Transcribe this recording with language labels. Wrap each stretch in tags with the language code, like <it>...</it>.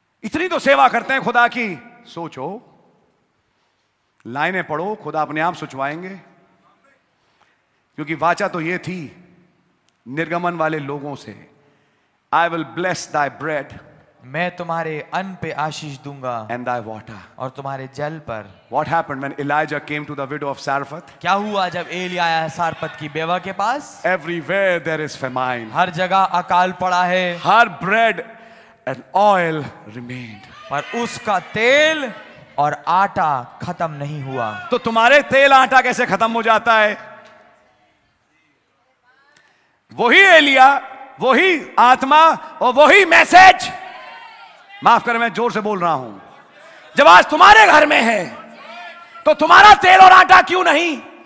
<hi>इतनी तो सेवा करते हैं खुदा की, सोचो. लाइनें पढ़ो, खुदा अपने आप सुचवाएंगे. क्योंकि वाचा तो ये थी निर्गमन वाले लोगों से,</hi> <en>I will bless thy bread,</en> <hi>मैं तुम्हारे अन्न पे आशीष दूंगा,</hi> <en>and thy water,</en> <hi>और तुम्हारे जल पर.</hi> <en>What happened when Elijah came to the widow of Sarephath?</en> <hi>क्या हुआ जब एली आया सारपत की बेवा के पास?</hi> <en>Everywhere there is famine.</en> <hi>हर जगह अकाल पड़ा है.</hi> <en>Her bread and oil remained.</en> <hi>पर उसका तेल और आटा खत्म नहीं हुआ. तो तुम्हारे तेल आटा कैसे खत्म हो जाता है? वही एलिया, वही आत्मा और वही मैसेज. माफ कर, मैं जोर से बोल रहा हूं. जब आज तुम्हारे घर में है तो तुम्हारा तेल और आटा क्यों नहीं?</hi>